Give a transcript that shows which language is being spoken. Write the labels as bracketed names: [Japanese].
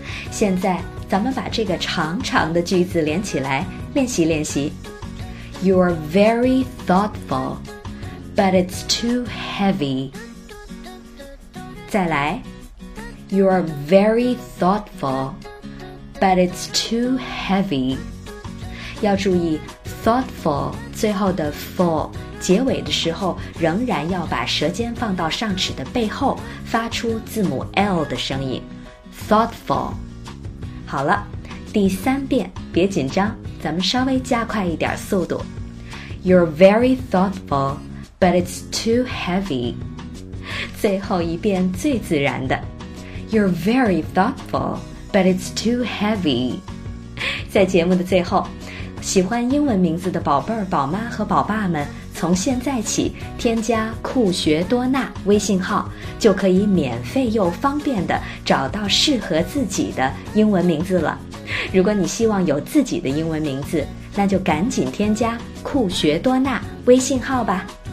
[Chinese] 现在咱们把这个长长的句子连起来练习练习。 [English] You're very thoughtful, but it's too heavy. [Chinese] 再来。 [English] You're very thoughtful, but it's too heavy. [Chinese] 要注意 thoughtful 最后的 ful 结尾的时候仍然要把舌尖放到上齿的背后，发出字母 L 的声音。 [English] Thoughtful. [Chinese] 好了，第三遍，别紧张，咱们稍微加快一点速度。 [English] You're very thoughtful, but it's too heavy. [Chinese] 最后一遍最自然的。 [English] You're very thoughtful, but it's too heavy. [Chinese] 在节目的最后，喜欢英文名字的宝贝儿、宝妈和宝爸们，从现在起添加酷学多纳微信号，就可以免费又方便地找到适合自己的英文名字了。如果你希望有自己的英文名字，那就赶紧添加酷学多纳微信号吧。